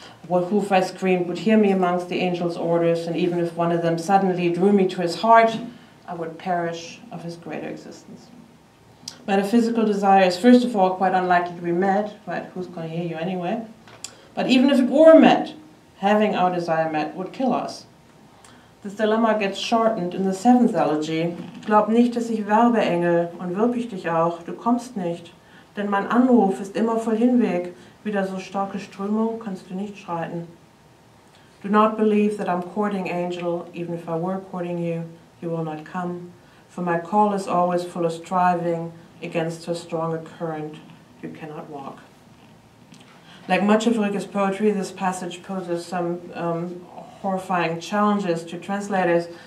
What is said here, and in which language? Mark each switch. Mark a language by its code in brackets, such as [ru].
[en] What who, if I screamed, would hear me amongst the angels' orders, and even if one of them suddenly drew me to his heart, I would perish of his greater existence. Metaphysical desire is first of all quite unlikely to be met, but who's going to hear you anyway? But even if it were met, having our desire met would kill us. This dilemma gets shortened in the seventh elegy. [de] Glaub nicht, dass ich werbe, Engel, und wirb ich dich auch, du kommst nicht, denn mein Anruf ist immer voll hinweg, wieder so starke Strömung kannst du nicht schreiten. [en] Do not believe that I'm courting, Angel, even if I were courting you, you will not come, for my call is always full of striving against so strong a current you cannot walk. Like much of Rilke's poetry, this passage poses some horrifying challenges to translators.